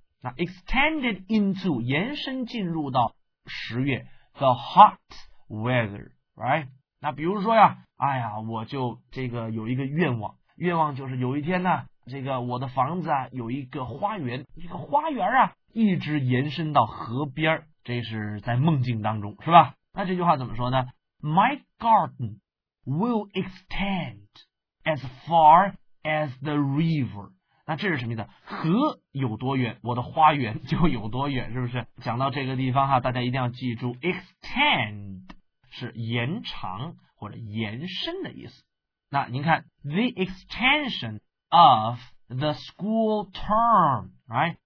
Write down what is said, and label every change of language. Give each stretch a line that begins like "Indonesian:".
English: 那 extended into
Chinese: 延伸进入到十月
English: the hot weather, right?
Chinese: 那比如说呀，哎呀，我就这个有一个愿望，愿望就是有一天呢，这个我的房子啊有一个花园，一个花园啊一直延伸到河边，这是在梦境当中，是吧？那这句话怎么说呢？
English: My garden will extend as far as the river.
Chinese: 那这是什么意思？河有多远，我的花园就有多远，是不是？讲到这个地方哈，大家一定要记住 extend 是延长或者延伸的意思。那您看
English: the extension of the school term, right?